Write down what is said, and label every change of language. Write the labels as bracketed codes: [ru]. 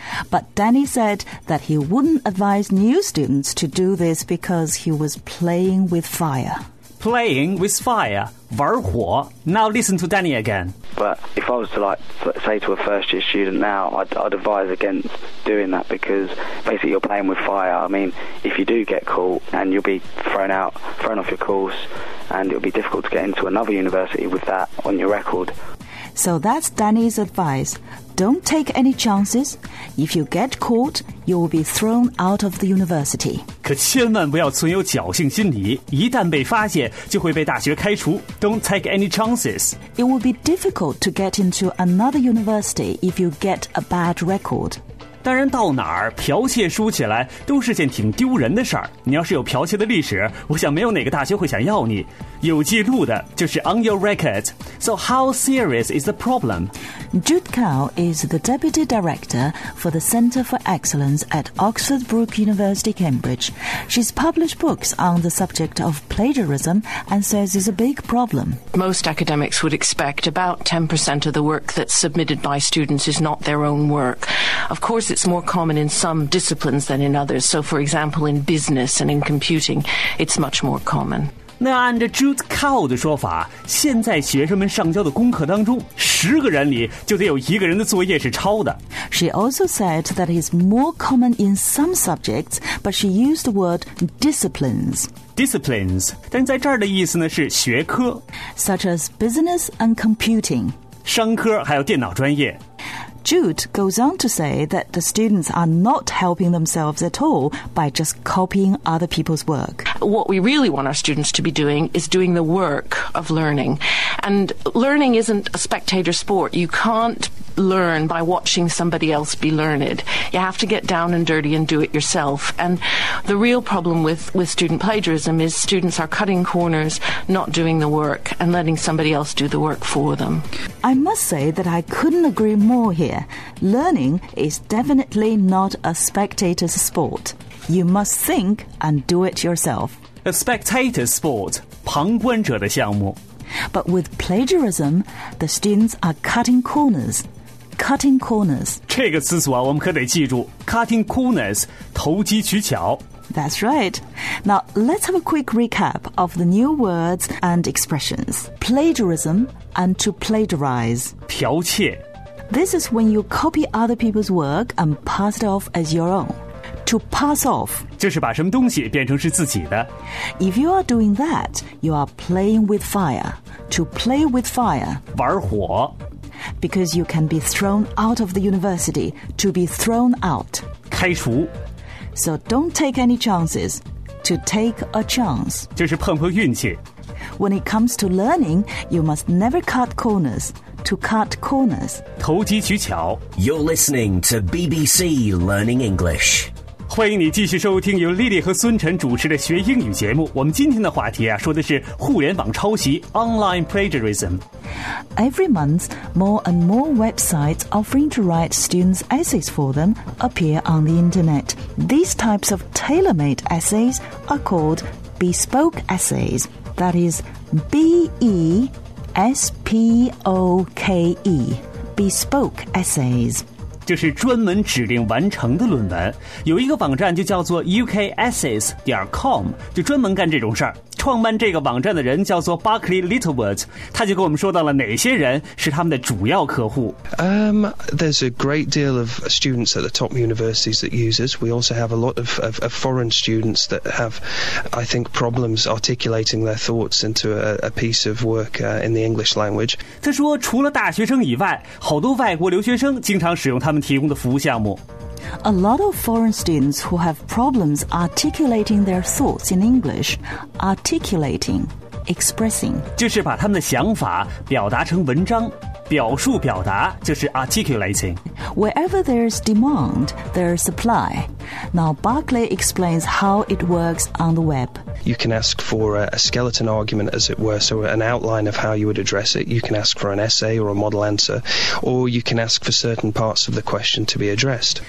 [en] But Danny said that he wouldn't advise new students to do this because he was playing with fire. Playing with fire, [zh] 玩火。 [en] Now listen to Danny again. But if I was to like say to a first year student now, I'd advise against doing that because basically you're playing with fire. I mean, if you do get caught and you'll be thrown off your course,And it'll be difficult to get into another university with that on your record. So that's Danny's advice. Don't take any chances. If you get caught, you will be thrown out of the university. [zh] 可千万不要存有侥幸心理，一旦被发现就会被大学开除。 [en] Don't take any chances. It will be difficult to get into another university if you get a bad record. [zh] 当然到哪儿剽窃输起来都是件挺丢人的事儿。你要是有剽窃的历史，我想没有哪个大学会想要你。有记录的就是 [en] on your record. So how serious is the problem? Jude Cow is the deputy director for the Center for Excellence at Oxford Brooke University, Cambridge. She's published books on the subject of plagiarism and says it's a big problem. Most academics would expect about 10% of the work that's submitted by students is not their own work. Of course, it's more common in some disciplines than in others. So, for example, in business and in computing, it's much more common. [zh] 那按照 Jude Cow 的说法，现在学生们上交的功课当中，十个人里就得有一个人的作业是抄的。 [en] She also said that it's more common in some subjects, but she used the word disciplines. [zh] Disciplines, 但在这儿的意思呢是学科 [en] ，such as business and computing. [zh] 商科还有电脑专业。 [en] Jude goes on to say that the students are not helping themselves at all by just copying other people's work. What we really want our students to be doing is doing the work of learning. And learning isn't a spectator sport. You can't learn by watching somebody else be learned. You have to get down and dirty and do it yourself. And the real problem with student plagiarism is students are cutting corners, not doing the work, and letting somebody else do the work for them. I must say that I couldn't agree more here. Learning is definitely not a spectator's sport. You must think and do it yourself. A spectator's sport, [zh] 旁观者的项目。 [en] But with plagiarism, the students are cutting corners. Cutting corners. [zh] 这个词组啊，我们可得记住 [en] cutting corners, [zh] 投机取巧。 [en] That's right. Now, let's have a quick recap of the new words and expressions. Plagiarism and to plagiarize. [zh] 剽窃。 [en] This is when you copy other people's work and pass it off as your own. To pass off. [zh] 就是把什么东西变成是自己的。 [en] If you are doing that, you are playing with fire. To play with fire. [zh] 玩火。 [en] Because you can be thrown out of the university, to be thrown out. [zh] 开除。 [en] So don't take any chances, to take a chance. [zh] 就是碰碰运气。 [en] When it comes to learning, you must never cut corners, to cut corners. [zh] 投机取巧。 [en] You're listening to BBC Learning English. [zh] 欢迎你继续收听由莉莉和孙晨主持的学英语节目。我们今天的话题啊，说的是互联网抄袭 [en] Online plagiarism。 Every month, more and more websites offering to write students' essays for them appear on the internet. These types of tailor-made essays are called bespoke essays. That is B-E-S-P-O-K-E. Bespoke essays. [zh] 就是专门指定完成的论文，有一个网站就叫做 ukessays.com， 就专门干这种事儿。创办这个网站的人叫做 Buckley Littlewood， 他就跟我们说到了哪些人是他们的主要客户。 [en] There's a great deal of students at the top universities that use us. We also have a lot of foreign students that have, I think, problems articulating their thoughts into a piece of work in the English language. [zh] 他说，除了大学生以外，好多外国留学生经常使用他们提供的服务项目。 [en] A lot of foreign students who have problems articulating their thoughts in English, articulating, expressing. [zh] 就是把他们的想法表达成文章，表述表达就是 articulating. [en] Wherever there's demand, there's supply. Now Barclay explains how it works on the web. You can ask for a skeleton argument, as it were, so an outline of how you would address it. You can ask for an essay or a model answer, or you can ask for certain parts of the question to be addressed.